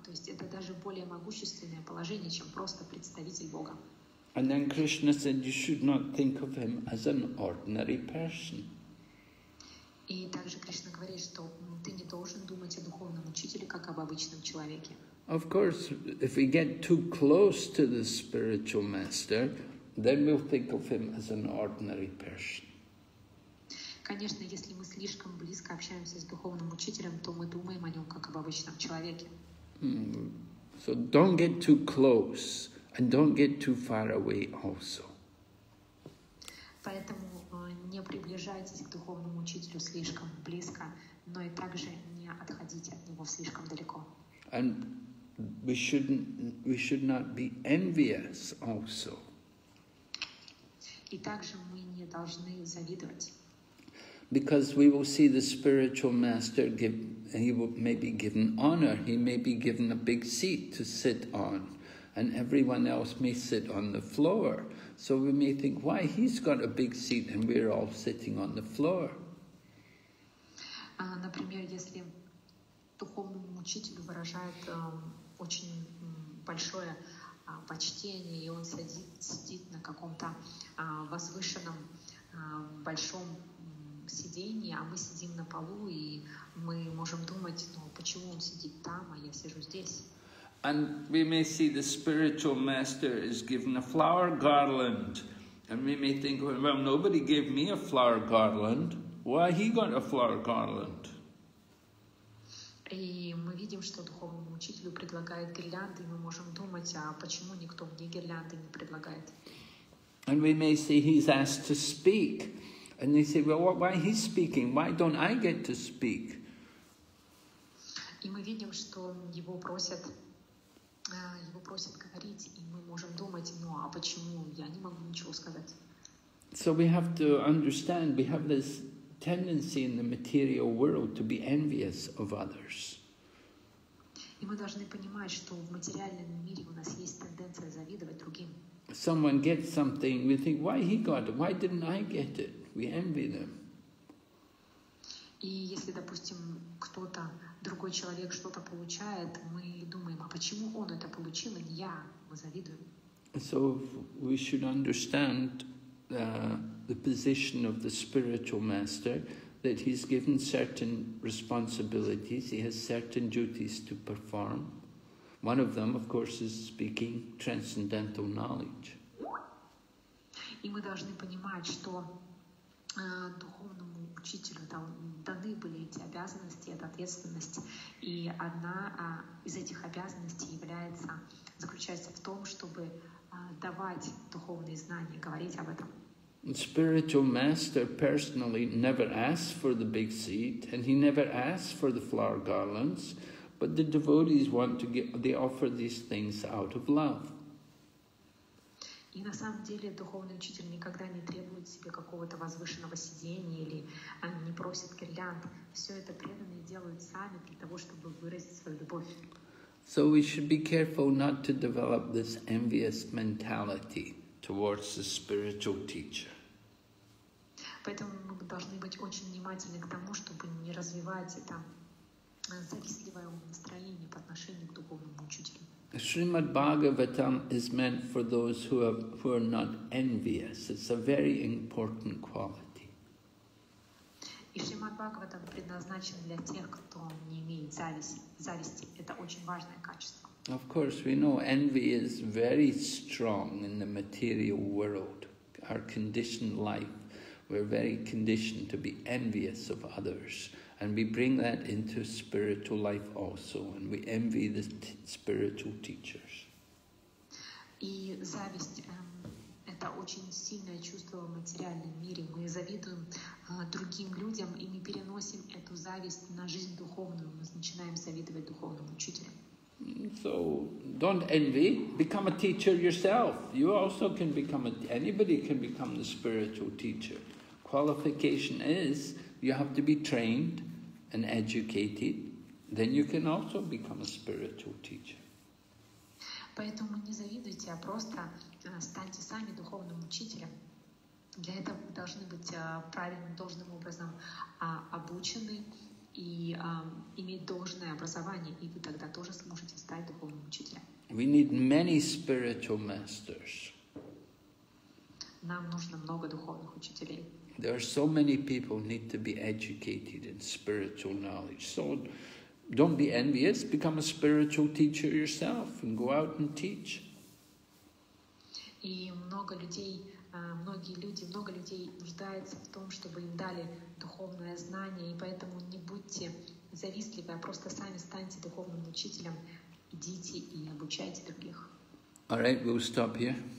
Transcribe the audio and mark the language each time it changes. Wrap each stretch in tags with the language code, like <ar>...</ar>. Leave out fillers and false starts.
<ru>То есть это даже более могущественное положение, чем просто представитель Бога.</ru> <en>And then Krishna said, you should not think of him as an ordinary person.</en> <ru>И также Кришна говорит, что ты не должен думать о духовном учителе как об обычном человеке.</ru> <en>Of course, if we get too close to the spiritual master, then we'll think of him as an ordinary person.</en> <ru>Конечно, если мы слишком близко общаемся с духовным учителем, то мы думаем о нем как об обычном человеке.</ru> <en>So don't get too close and don't get too far away also.</en> <ru>Поэтому не приближайтесь к духовному учителю слишком близко, но и также не отходите от него слишком далеко.</ru> <en>And we should not be envious also.</en> <ru>И также мы не должны завидовать.</ru> <en>Because we will see the spiritual master give, he may be given honor, he may be given a big seat to sit on, and everyone else may sit on the floor. So we may think, why, he's got a big seat and we're all sitting on the floor.</en> <ru>Например, если духовному учителю выражает очень большое почтение, и он сидит на каком-то возвышенном большом сиденье, а мы сидим на полу, и мы можем думать, ну почему он сидит там, а я сижу здесь.</ru> <en>And we may see the spiritual master is given a flower garland, and we may think, well, nobody gave me a flower garland. Why he got a flower garland?</en> <ru>И мы видим, что духовному учителю предлагают гирлянды, и мы можем думать, а почему никто мне гирлянды не предлагает?</ru> <en>And we may see he's asked to speak. And they say, well, why he's speaking? Why don't I get to speak?</en> <ru>И мы видим, что его просят говорить, и мы можем думать, ну а почему я не могу ничего сказать?</ru> <en>So we have to understand, we have this tendency in the material world to be envious of others.</en> <ru>И мы должны понимать, что в материальном мире у нас есть тенденция завидовать другим.</ru> <en>Someone gets something, we think, why he got it? Why didn't I get it? We envy them.</en> <ru>И если, допустим, кто-то, другой человек что-то получает, мы думаем, а почему он это получил, а не я? Мы завидуем.</ru> <en>So we should understand the position of the spiritual master, that he's given certain responsibilities, he has certain duties to perform. One of them, of course, is speaking transcendental knowledge.</en> <ru>И мы должны понимать, что духовному учителю даны были эти обязанности, эта ответственность, и одна из этих обязанностей заключается в том, чтобы давать духовные знания, говорить об этом.</ru> <en>Spiritual master personally never asks for the big seat, and he never asks for the flower garlands, but the devotees want to get, they offer these things out of love.</en> <ru>И на самом деле духовный учитель никогда не требует себе какого-то возвышенного сидения или не просит гирлянд. Все это преданные делают сами для того, чтобы выразить свою любовь.</ru> <en>So we should be careful not to develop this envious mentality towards the spiritual teacher.</en> <ru>Поэтому мы должны быть очень внимательны к тому, чтобы не развивать это завистливое настроение по отношению к духовному учителю.</ru> <en>Srimad Bhagavatam is meant for those who are not envious. It's a very important quality.</en> <ru>И Шримад Бхагаватам предназначен для тех, кто не имеет зависти. Это очень важное качество.</ru> <en>Of course, we know envy is very strong in the material world, our conditioned life. We're very conditioned to be envious of others. And we bring that into spiritual life also, and we envy the spiritual teachers.</en> <ru>И зависть это очень сильное чувство в материальном мире. Мы завидуем другим людям, и мы переносим эту зависть на жизнь духовную. Мы начинаем завидовать духовному учителю.</ru> <en>So don't envy. Become a teacher yourself. You also can become anybody can become the spiritual teacher. Qualification is you have to be trained and educated, then you can also become a spiritual teacher.</en> <ru>Поэтому не завидуйте, а просто станьте сами духовным учителем. Для этого вы должны быть правильным, должным образом обучены и иметь должное образование, и вы тогда тоже сможете стать духовным учителем.</ru> <en>We need many spiritual masters.</en> <ru>Нам нужно много духовных учителей.</ru> <en>There are so many people need to be educated in spiritual knowledge. So don't be envious, become a spiritual teacher yourself and go out and teach.</en> <ru>И много людей нуждаются в том, чтобы им дали духовное знание, и поэтому не будьте завистливы, а просто сами станьте духовным учителем, идите и обучайте других.</ru> <en>All right, we'll stop here.</en>